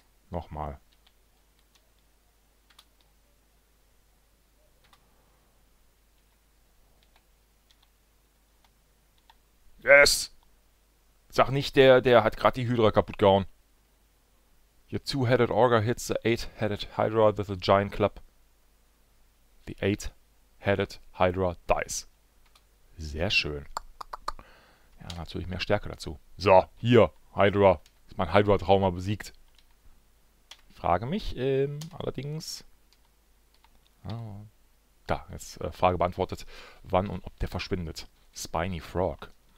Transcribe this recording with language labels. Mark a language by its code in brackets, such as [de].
[de] Nochmal. Yes! Sag nicht, der hat gerade die Hydra kaputt gehauen. [en] Your two-headed Ogre hits the eight-headed Hydra with a giant club. The eight-headed Hydra dies. [de] Sehr schön. Ja, natürlich mehr Stärke dazu. So, hier, Hydra. Ist mein Hydra-Trauma besiegt. Ich frage mich, allerdings... Oh. Da, jetzt Frage beantwortet. Wann und ob der verschwindet. Spiny Frog.